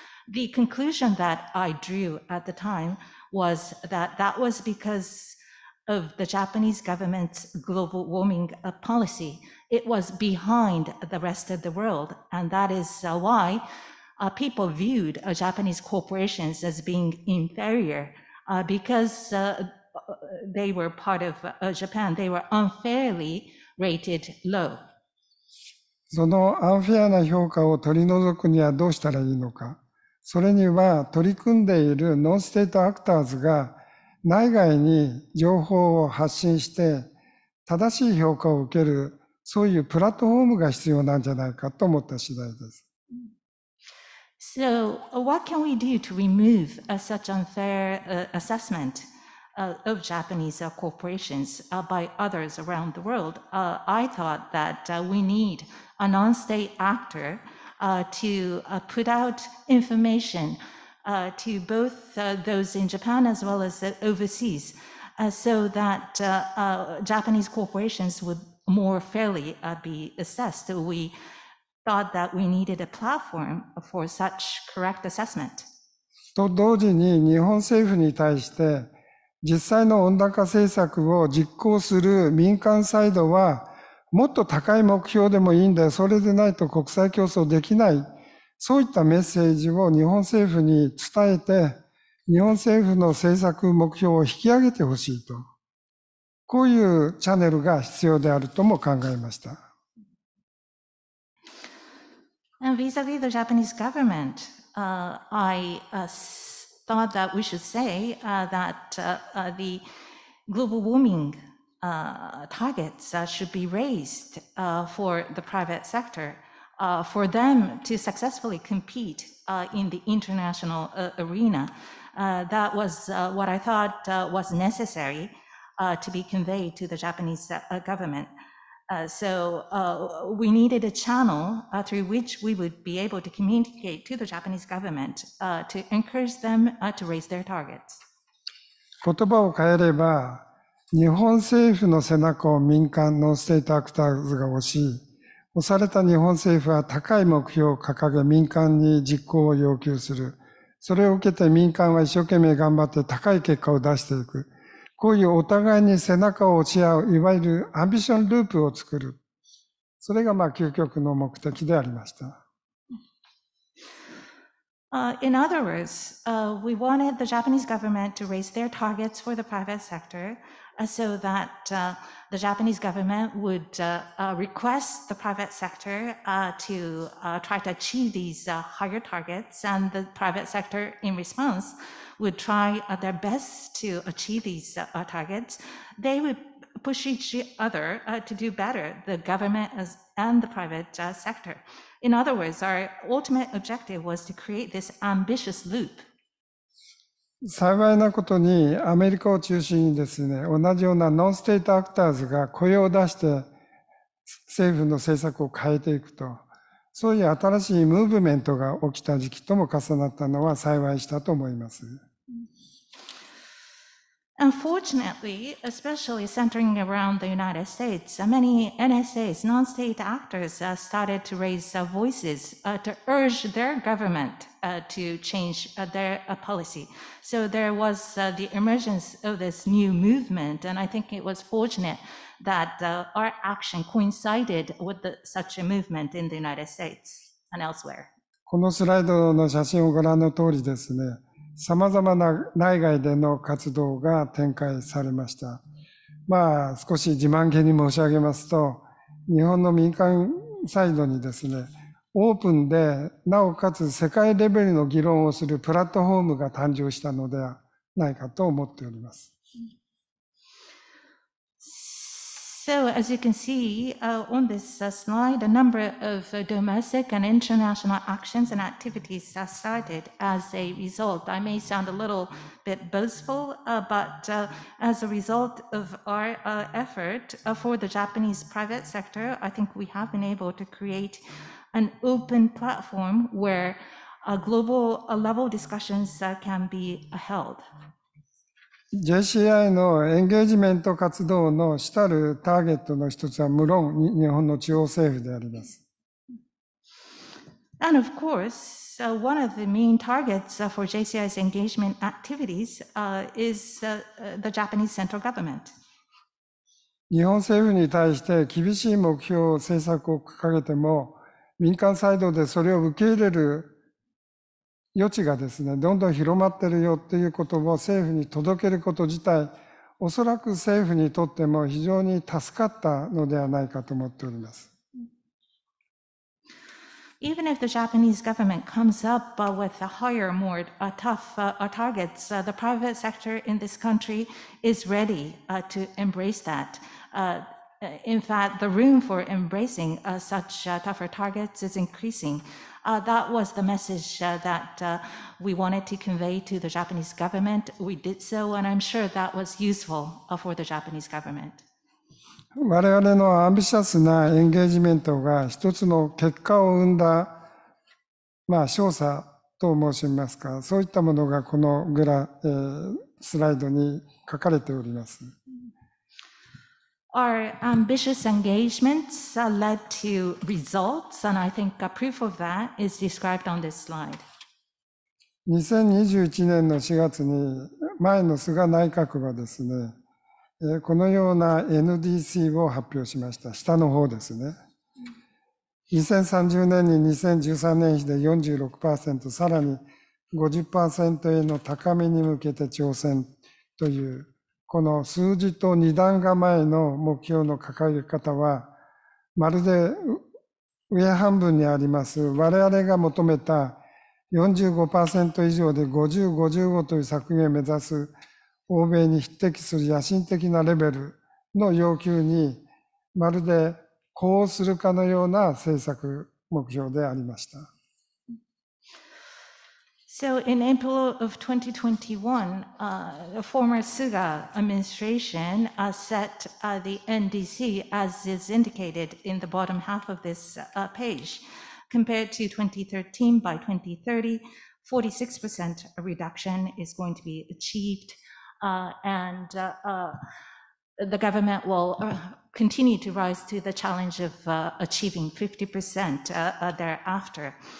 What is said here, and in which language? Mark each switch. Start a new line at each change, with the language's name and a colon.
English: The conclusion that I drew at the time was that that was because of the Japanese government's global warming policy. It was behind the rest of the world, and that is why. People viewed Japanese corporations as being inferior because they were part of Japan. They were unfairly rated low.
Japanese: そのアンフェアな評価を取り除くにはどうしたらいいのか。それには取り組んでいるノンステートアクターズが内外に情報を発信して正しい評価を受けるそういうプラットフォームが必要なんじゃないかと思った次第です。
English: So, what can we do to remove such unfair assessment of Japanese corporations by others around the world? I thought that we need a non-state actor to put out information to both those in Japan as well as overseas so that Japanese corporations would more fairly be assessed. We,thought that we needed a platform for such correct assessment.
Japanese: と同時に日本政府に対して実際の温暖化政策を実行する民間サイドはもっと高い目標でもいいんだよ、それでないと国際競争できない、そういったメッセージを日本政府に伝えて日本政府の政策目標を引き上げてほしいと、こういうチャンネルが必要であるとも考えました。
English: And vis-a-vis the Japanese government, I thought that we should say the global warming targets should be raised for the private sector, for them to successfully compete in the international arena. That was what I thought was necessary to be conveyed to the Japanese government. We needed a channel through which we would be able to communicate to the Japanese government to encourage them to raise their targets.
Japanese: 言葉を変えれば、日本政府の背中を民間のステートアクターズが押し、押された日本政府は高い目標を掲げ民間に実行を要求する。それを受けて民間は一生懸命頑張って高い結果を出していく。こういうお互いに背中を押し合う、いわゆるアンビションループを作る。それがまあ究極の目的でありました。
English: In other words, we wanted the Japanese government to raise their targets for the private sector, so that the Japanese government would request the private sector to try to achieve these higher targets, and the private sector in response would try their best to achieve these targets. They would push each other to do better, the government and the private sector. In other words, our ultimate objective was to create this ambitious loop.
Japanese: 幸いなことにアメリカを中心にですね、同じようなノンステートアクターズが声を出して政府の政策を変えていくと、そういう新しいムーブメントが起きた時期とも重なったのは幸いしたと思います。
English: Unfortunately, especially centering around the United States, many NSAs, non-state actors, started to raise voices to urge their government to change their policy. So there was the emergence of this new movement, and I think it was fortunate that our action coincided with such a movement in the United States and elsewhere.
Japanese: このスライドの写真をご覧の通りですね。さまざまな内外での活動が展開されました。まあ少し自慢げに申し上げますと、日本の民間サイドにですね、オープンでなおかつ世界レベルの議論をするプラットフォームが誕生したのではないかと思っております。
English: So as you can see on this slide, a number of domestic and international actions and activities have started as a result. I may sound a little bit boastful, but as a result of our effort for the Japanese private sector, I think we have been able to create an open platform where global level discussions can be held.
Japanese: JCI のエンゲージメント活動の主たるターゲットの一つは無論日本の中央政府であります。
English: And of course, one of the main targets for JCI's engagement activities is the Japanese central government.
Japanese: 日本政府に対して厳しい目標政策を掲げても、民間サイドでそれを受け入れる余地がですね、どんどん広まってるよっていうことを政府に届けること自体、おそらく政府にとっても非常に助かったのではないかと思っております。
English: Even if the Japanese government comes up with a higher, more tough targets, the private sector in this country is ready to embrace that. In fact, the room for embracing such tougher targets is increasing. That was the message that we wanted to convey to the Japanese government. We did so, and I'm sure that was useful for the Japanese government.
Japanese: 我々のアンビシャスなエンゲージメントが一つの結果を生んだ、まあ、勝者と申しますか、そういったものがこのグラ、スライドに書かれております。
English: Our ambitious engagements led to results, and I think a proof of that is described on this slide.
Japanese: 2021年の4月に前の菅内閣がですね、このような NDC を発表しました。下の方ですね。2030年に2013年比で 46%、さらに 50% への高めに向けて挑戦という、この数字と二段構えの目標の掲げ方は、まるで上半分にあります我々が求めた 45% 以上で50、55という削減を目指す欧米に匹敵する野心的なレベルの要求に、まるで呼応するかのような政策目標でありました。
English: So in April of 2021, the former Suga administration set the NDC as is indicated in the bottom half of this page, compared to 2013 by 2030, 46% reduction is going to be achieved, and the government will continue to rise to the challenge of achieving 50% thereafter.